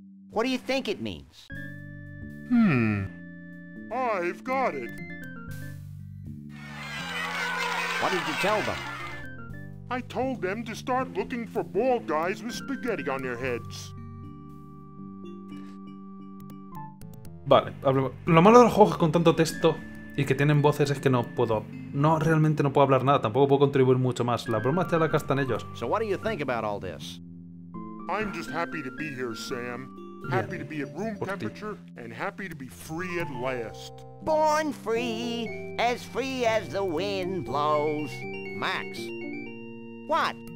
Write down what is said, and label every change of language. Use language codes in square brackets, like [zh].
[en] What do you think it means? I've got it. What did you tell them? I told them to start looking for bald guys with spaghetti on their heads. [es] Vale, lo malo de los juegos con tanto texto y que tienen voces es que no puedo, no realmente no puedo hablar nada, tampoco puedo contribuir mucho más. La broma está la casta en ellos. [en] So what do you think about all this? I'm just happy to be here, Sam. Happy to be at room temperature and happy to be free at last. Born free as the wind blows. Max. What?